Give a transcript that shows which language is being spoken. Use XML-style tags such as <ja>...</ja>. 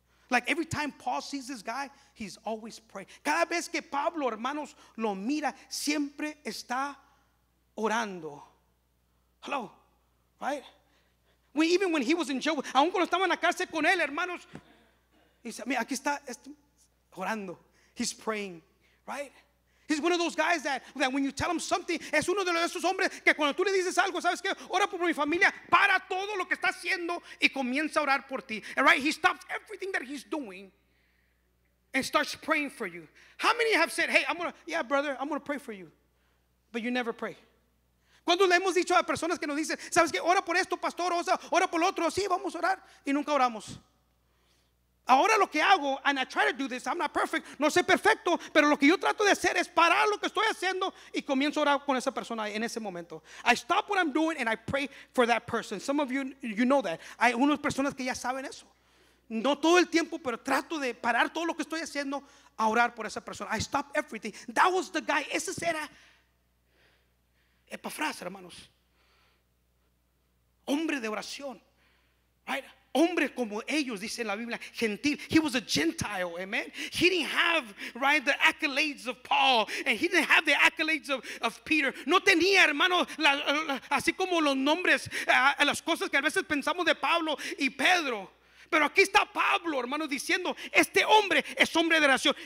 <en>Like every time Paul sees this guy, he's always praying.</en> <es>Cada vez que Pablo, hermanos, lo mira, siempre está orando.</es> <en>Hello? Right? Even when he was in jail,</en> <es>aun cuando estaba en la cárcel con él, hermanos,</es> <en>he said,</en> <es>mira, aquí está orando.</es> <en>He's praying. Right? He's one of those guys that when you tell him something,</en> <es>es uno de esos hombres que cuando tú le dices algo, ¿sabes qué? Ora por mi familia, para todo lo que está haciendo y comienza a orar por ti.</es> <en>And right? He stops everything that he's doing and starts praying for you. How many have said, hey, I'm going to pray for you, but you never pray?</en> <es>¿Cuándo le hemos dicho a personas que nos dicen, ¿sabes qué? Ora por esto, pastor, ora por lo otro, sí, vamos a orar, y nunca oramos. Ahora lo que hago,</es> <en>and I try to do this, I'm not perfect,</en> <es>no soy perfecto, pero lo que yo trato de hacer es parar lo que estoy haciendo y comienzo a orar con esa persona en ese momento.</es> <en>I stop what I'm doing and I pray for that person. Some of you know that.</en> <es>Hay unas personas que ya saben eso. No todo el tiempo, pero trato de parar todo lo que estoy haciendo a orar por esa persona.</es> <en>I stop everything. That was the guy.</en> <es>Ese era Epafras, hermanos. Hombre de oración. Right? Hombre como ellos, dice en la Biblia, gentil.</es> <en>He was a Gentile, amen. He didn't have, right, the accolades of Paul, and he didn't have the accolades of Peter.</en> <es>No tenía, hermano, así como los nombres, las cosas que a veces pensamos de Pablo y Pedro. Pero aquí está Pablo, hermano, diciendo, este hombre es hombre de oración.</es>